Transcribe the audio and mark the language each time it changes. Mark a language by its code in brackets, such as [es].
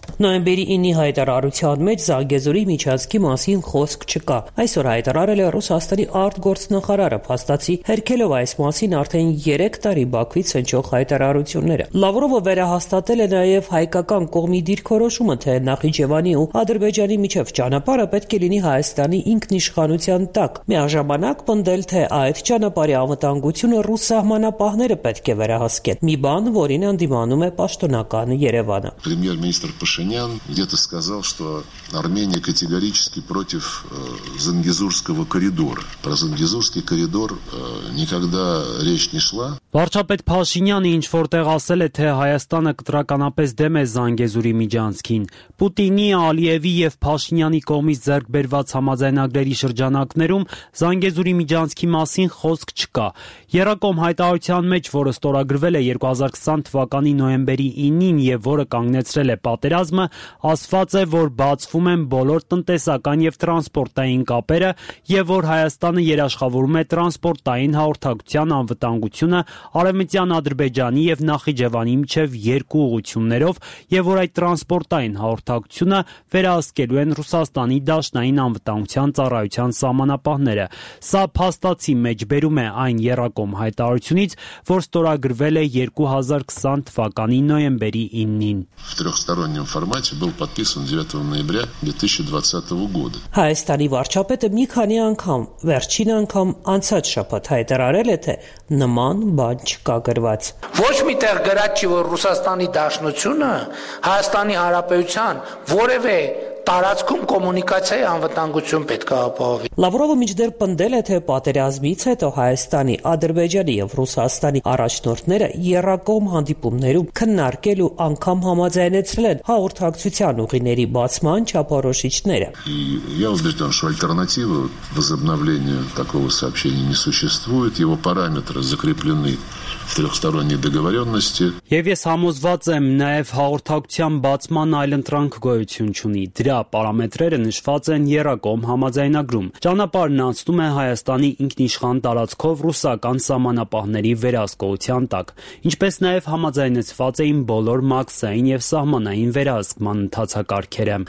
[hy] Նոյեմբերի 9-ի հայտարարության մեջ Զանգեզուրի միջանցքի մասին խոսք չկա։ Այսօր հայտարարել է Ռուսաստանի արտգործնախարարը, փաստացի հերքելով այս մասին արդեն 3 տարի Բաքվից հնչող հայտարարությունները։ Լավրովը վերահաստատել է նաև հայկական կողմի դիրքորոշումը, թե Նախիջևանի ու Ադրբեջանի միջև ճանապարհը պետք է լինի Հայաստանի ինքնիշխանության տակ։ Միաժամանակ պնդել, թե այդ ճանապարհի անվտանգությունը ռուս սահմանապահները պետք է վերահսկեն, մի բան, որին ընդդիմանում է պաշտոնական Երևանը։ [ru] Пашинян где-то сказал, что Армения категорически против Зангезурского коридора. Про Зангезурский коридор никогда речь не шла. [hy] Վարչապետ Փաշինյանը ինչ որտեղ ասել է, թե Հայաստանը կտրականապես դեմ է Զանգեզուրի միջանցքին։ Պուտինի, Ալիևի և Փաշինյանի կողմից ձեռք բերված համաձայնագրերի շրջանակներում Զանգեզուրի միջանցքի մասին խոսք չկա։ Երակոմ հայտարարության մեջ, որը ստորագրվել է 2020 թվականի նոյեմբերի 9-ին և որը կանգնեցրել է պատերազմը, ասված է, որ բացվում են բոլոր տնտեսական և տրանսպորտային կապերը և որ Հայաստանը երաշխավորում է տրանսպորտային հաղորդակցության անվտանգությունը Արևմտյան Ադրբեջանի և Նախիջևանի միջև երկու ուղություններով և որ այդ տրանսպորտային հաղորդակցությունը վերահսկելու են Ռուսաստանի դաշնային անվտանգության ծառայության սահմանապահները։ Սա փաստացի մեջբերում է այն Երակոմ հայտարարությունից, որ ստորագրվել է 2020 թվականի նոյեմբերի 9-ին։ [ru] В трехстороннем формате был подписан 9 ноября 2020 года. [hy] Հայաստանի վարչապետը մի քանի անգամ, վերջին անգամ անցած շաբաթ հայտարարել է, թե նման բան չկա գրված։ Ոչ մի տեղ գրած չի, որ Ռուսաստանի Դաշնությունը Հայաստանի Հանրապետության որևէ տարածքում կոմունիկացիայի անվտանգություն պետք է ապահովի։ Լավրովը միջդեռ պնդել է, թե պատերազմից հետո Հայաստանի, Ադրբեջանի և Ռուսաստանի առաջնորդները եռակողմ հանդիպումներում քննարկելու անգամ համաձայնեցրել են հաղորդակցության ուղիների բացման չափորոշիչները։ [ru] Я убежден, что альтернативы возобновления такого сообщения не существует. Его параметры закреплены в трехсторонней договоренности. [hy] Եվ ես համոզված եմ, նաև հաղորդակցության բացման այլ ընտրանք գոյություն չունի։ Դրա պարամետրերը նշված են եռակողմ համաձայնագրում։ Ճանապարհն անցնում է Հայաստանի ինքնիշխան տարածքով ռուսական սահմանապահների վերահսկողության տակ, ինչպես նաև համաձայնեցված էին բոլոր մաքսային և սահմանային վերահսկման ընթացակարգերը։